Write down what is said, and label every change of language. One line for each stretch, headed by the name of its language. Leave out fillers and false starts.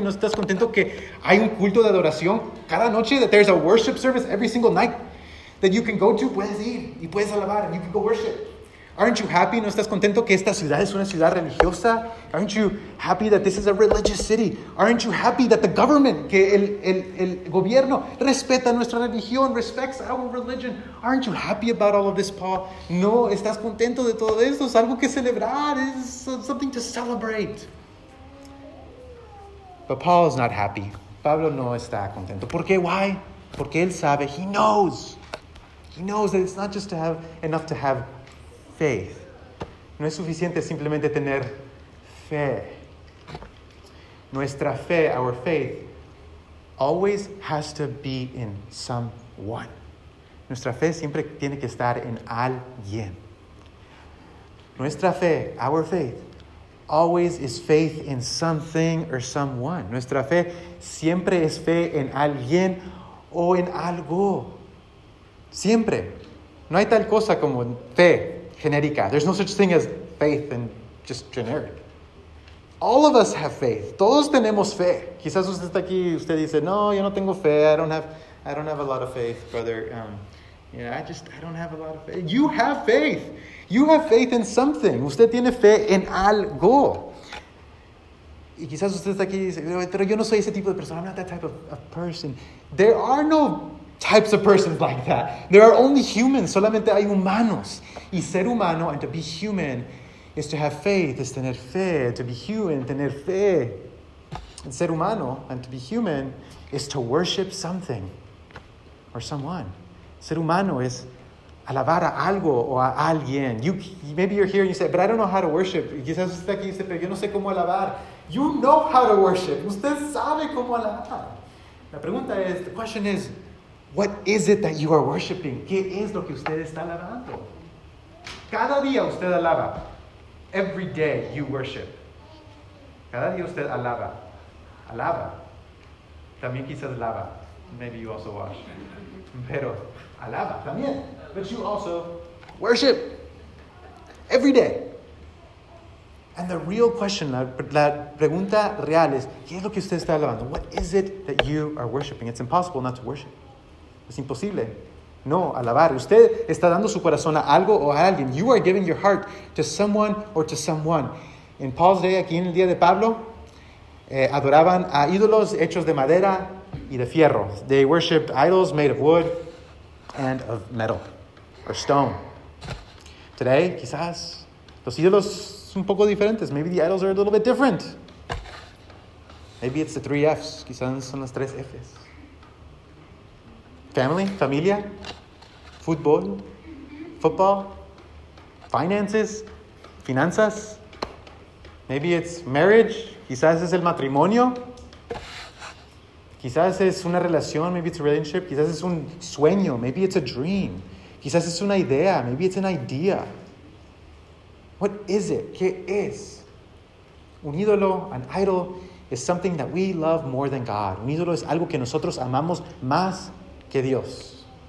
Spanish: ¿No estás contento que hay un culto de adoración cada noche?
English: That there's a worship service every single night that you can go to?
Spanish: Puedes ir y puedes alabar
English: and you can go worship. Aren't you happy?
Spanish: ¿No estás contento que esta ciudad es una ciudad religiosa?
English: Aren't you happy that this is a religious city? Aren't you happy that the government,
Spanish: que el gobierno, respeta nuestra religión,
English: respects our religion? Aren't you happy about all of this, Paul?
Spanish: No, ¿estás contento de todo esto? Es algo que celebrar. Es
English: something to celebrate. But Paul is not happy.
Spanish: Pablo no está contento. ¿Por qué?
English: Why?
Spanish: Porque él sabe.
English: He knows. He knows that it's not just to have enough to have faith.
Spanish: No es suficiente simplemente tener fe. Nuestra fe,
English: our faith, always has to be in someone.
Spanish: Nuestra fe siempre tiene que estar en alguien. Nuestra fe,
English: our faith, always is faith in something or someone.
Spanish: Nuestra fe siempre es fe en alguien o en algo. Siempre. No hay tal cosa como fe genérica.
English: There's no such thing as faith and just generic. All of us have faith.
Spanish: Todos tenemos fe. Quizás usted está aquí, usted dice, no, yo no tengo fe.
English: I don't have a lot of faith, brother. I don't have a lot of faith. You have faith. You have faith in something.
Spanish: Usted tiene fe en algo. Y quizás usted está aquí y dice, pero yo no soy ese tipo de persona.
English: I'm not that type of person. There are no types of persons like that. There are only humans.
Spanish: Solamente hay humanos. Y ser humano,
English: and to be human, is to have faith, is
Spanish: tener fe.
English: To be human,
Spanish: tener fe.
English: And
Spanish: ser humano,
English: and to be human, is to worship something or someone.
Spanish: Ser humano es alabar a algo o a alguien.
English: Maybe you're here and you say, but I don't know how to worship.
Spanish: Y quizás usted aquí dice, pero yo no sé cómo alabar.
English: You know how to worship.
Spanish: Usted sabe cómo alabar.
English: The question is, what is it that you are worshiping?
Spanish: ¿Qué es lo que usted está alabando? Cada día usted alaba.
English: Every day you worship.
Spanish: Cada día usted alaba. Alaba. También quizás lava.
English: Maybe you also wash.
Spanish: Pero alaba también.
English: But you also worship. Every day. And the real question,
Spanish: la pregunta real es, ¿qué es lo que usted está alabando?
English: What is it that you are worshiping? It's impossible not to worship.
Spanish: Es imposible no alabar. Usted está dando su corazón a algo o a alguien.
English: You are giving your heart to someone or to someone. In Paul's day,
Spanish: aquí en el día de Pablo, adoraban a ídolos hechos de madera y de fierro.
English: They worshipped idols made of wood and of metal or stone.
Spanish: Today, quizás, los ídolos son un poco diferentes.
English: Maybe the idols are a little bit different. Maybe it's the three Fs.
Spanish: Quizás son las tres Fs.
English: Family, familia, football, finances, finanzas. Maybe it's marriage,
Spanish: quizás es el matrimonio. Quizás es una relación,
English: maybe it's a relationship.
Spanish: Quizás es un sueño,
English: maybe it's a dream.
Spanish: Quizás es una idea,
English: maybe it's an idea. What is it?
Spanish: ¿Qué es? Un ídolo,
English: an idol, is something that we love more than God.
Spanish: Un ídolo es algo que nosotros amamos más que Dios.